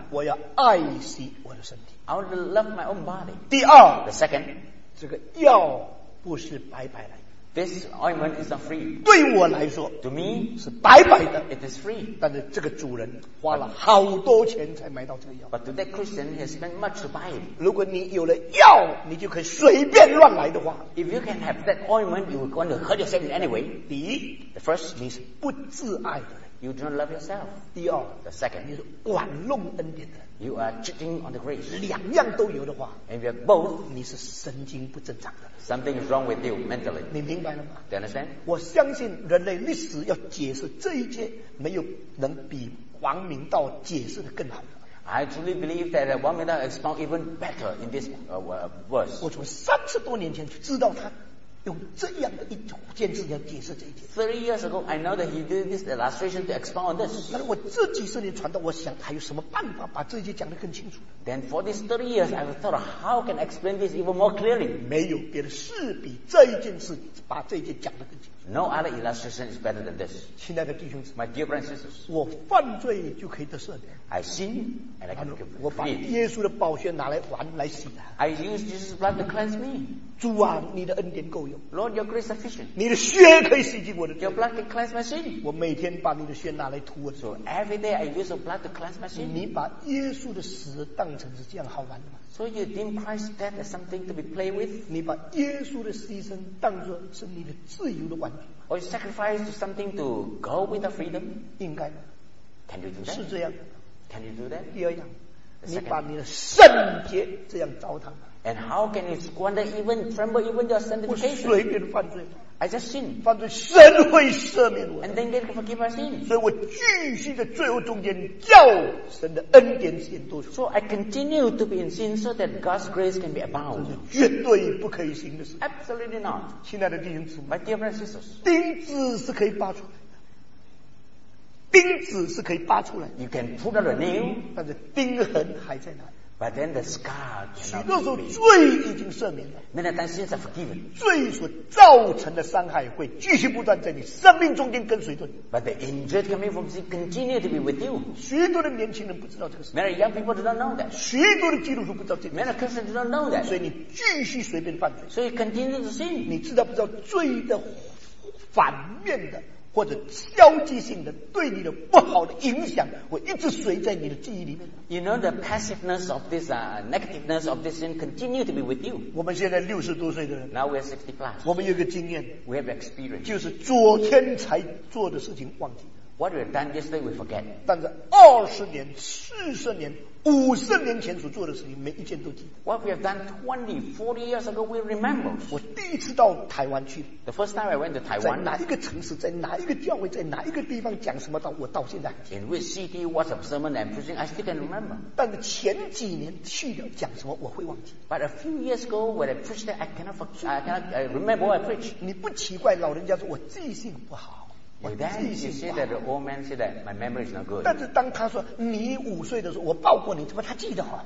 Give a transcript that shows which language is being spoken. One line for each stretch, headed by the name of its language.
Chinese: 我要爱惜我的身体。
English: I want to love my own body。
Chinese: 第二
English: ，The second，
Chinese: 这个药不是白白来的。
English: This ointment is not free。
Chinese: 对我来说
English: ，To me，
Chinese: 是白白的。
English: It is free。
Chinese: 但是这个主人花了好多钱才买到这个药。
English: But to that Christian, he spent much to buy it。
Chinese: 如果你有了药，你就可以随便乱来的话
English: ，If you can have that ointment, you will want to hurt yourself anyway。
Chinese: 第一
English: ，The first，
Chinese: 你是不自爱的人
English: ，You don't love yourself。
Chinese: 第二
English: ，The second，
Chinese: 你是玩弄恩典的人
English: ，You are cheating on the grace。
Chinese: 两样都有的话
English: ，If you have both，
Chinese: 你是神经不正常的人
English: ，Something is wrong with you mentally。
Chinese: 你明白了吗
English: ？Do you understand？
Chinese: 我相信人类历史要解释这一切，没有能比。王明道解释的更好。
English: I truly believe that 王明道 expound even better in this verse.
Chinese: 我从三十多年前就知道他用这样的一件事要解释这一点。
English: 30 years ago, I know that he did this illustration to expound on this.
Chinese: 但是我这几十年传道，我想还有什么办法把这一节讲得更清楚
English: ？Then for these 30 years, I thought, how can I explain this even more clearly?
Chinese: 没有别的事比这一件事把这一节讲得更清楚。
English: No other illustration is better than this.
Chinese: 亲爱的弟兄姊妹
English: ，My dear brothers and sisters,
Chinese: 我犯罪就可以得赦免。
English: I sin and I can be free.
Chinese: 我把耶稣的宝血拿来还来洗
English: 了。I use Jesus' blood to cleanse me.
Chinese: 主啊，你的恩典够用。
English: Lord, your grace sufficient.
Chinese: 你的血可以洗净我的罪。
English: Your blood can cleanse my sin.
Chinese: 我每天把你的血拿来涂我。
English: So every day I use your blood to cleanse my sin.
Chinese: 你把耶稣的死当成是这样好玩的吗？
English: So you deem Christ's death as something to be played with?
Chinese: 你把耶稣的牺牲当作是你的自由的玩具吗
English: ？Or you sacrifice something to go with the freedom?
Chinese: 应该吗
English: ？Can you do that?
Chinese: 是这样。
English: Can you do that?
Chinese: 第二样，你把你的圣洁这样糟蹋吗
English: ？And how can you squander even tremble even your sanctification?
Chinese: 我随便犯罪。
English: I just sin.
Chinese: 犯罪神会赦免我。
English: And then get forgive our sin.
Chinese: 所以我继续在罪恶中间叫神的恩典显多。
English: So I continue to be in sin so that God's grace can be abound.
Chinese: 这是绝对不可以行的事。
English: Absolutely not.
Chinese: 亲爱的弟兄姊妹
English: ，My dear brothers and sisters，
Chinese: 钉子是可以拔出来的。钉子是可以拔出来的。
English: You can pull out a nail.
Chinese: 但是钉痕还在那里。
English: But then the scar cannot be.
Chinese: 许多时候罪已经赦免了。
English: Many times sins are forgiven.
Chinese: 罪所造成的伤害会继续不断在你生命中间跟随着你。
English: But the injury coming from sin continue to be with you.
Chinese: 许多的年轻人不知道这个事。
English: Many young people do not know that.
Chinese: 许多的基督徒不知道这个。
English: Many Christians do not know that.
Chinese: 所以你继续随便犯罪。
English: So you continue to sin.
Chinese: 你知道不知道罪的反面的？或者消极性的对你的不好的影响，会一直随在你的记忆里面。
English: You know the passiveness of this, negativeness of this sin continue to be with you.
Chinese: 我们现在六十多岁的人。
English: Now we're 60 plus.
Chinese: 我们有一个经验。
English: We have experience.
Chinese: 就是昨天才做的事情忘记。
English: What we've done yesterday we forget.
Chinese: 但是二十年、四十年、五十年前所做的事情，每一件都记得。
English: What we have done 20, 40 years ago, we remember.
Chinese: 我第一次到台湾去。
English: The first time I went to Taiwan.
Chinese: 在哪一个城市，在哪一个教会，在哪一个地方讲什么道，我到现在。
English: In which city, what a sermon I'm preaching, I still can remember.
Chinese: 但是前几年去了讲什么，我会忘记。
English: But a few years ago, when I preached, I cannot forget, I cannot remember what I preached.
Chinese: 你不奇怪老人家说我记性不好。
English: But then you see that the old man said that my memory is not good.
Chinese: 但是当他说你五岁的时候，我抱过你，怎么他记得好